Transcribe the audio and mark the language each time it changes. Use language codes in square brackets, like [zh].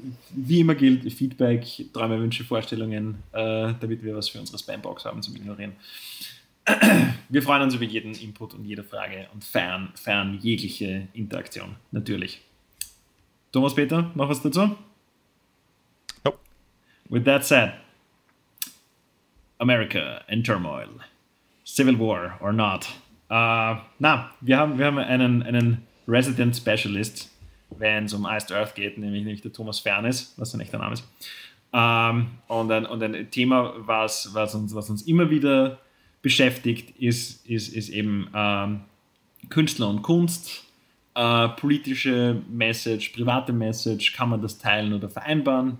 [de] Wie immer gilt Feedback, Träume, Wünsche, Vorstellungen, damit wir was für unsere Spambox haben zum Ignorieren. Wir freuen uns über jeden Input und jede Frage und fern jegliche Interaktion, natürlich. Thomas, Peter, noch was dazu? [en] Nope. With that said, America in turmoil, civil war or not. [de] Wir haben einen Resident Specialist, wenn es um Iced Earth geht, nämlich der Thomas Fernes, was sein echter Name ist. Und ein Thema, was uns immer wieder beschäftigt, ist eben Künstler und Kunst, politische Message, private Message, kann man das teilen oder vereinbaren?